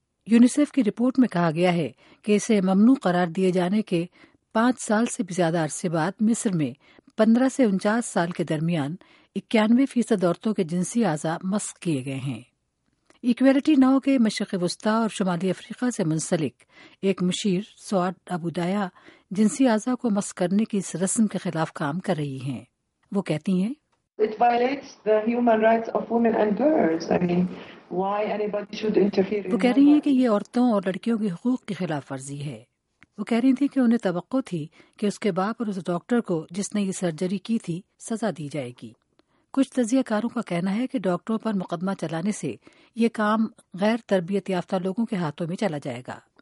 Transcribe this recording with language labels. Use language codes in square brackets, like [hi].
[ur] UNICEF کی report میں کہا گیا ہے کہ اسے ممنوع قرار دیے جانے کے 5 سال سے بھی زیادہ عرصے بعد مصر میں 15 سے 49 سال کے درمیان 91% عورتوں کے جنسی اعضاء مسخ کیے گئے ہیں۔ ایکویلٹی ناؤ کے مشرق وسطی اور شمالی افریقہ سے منسلک ایک مشیر سواد ابودایا جنسی اعضاء کو مسخ کرنے کی اس رسم کے خلاف کام کر رہی ہیں۔ وہ کہتی ہیں [en] It violates the human rights of women and girls. I mean, why anybody should interfere in [ur] وہ کہہ رہی ہیں کہ یہ عورتوں اور لڑکیوں کے حقوق کی خلاف ورزی ہے۔ وہ کہہ رہی تھیں کہ انہیں توقع تھی کہ اس کے باپ اور اس ڈاکٹر کو جس نے یہ سرجری کی تھی سزا دی جائے گی۔ کچھ تجزیہ کاروں کا کہنا ہے کہ ڈاکٹروں پر مقدمہ چلانے سے یہ کام غیر تربیت یافتہ لوگوں کے ہاتھوں میں چلا جائے گا۔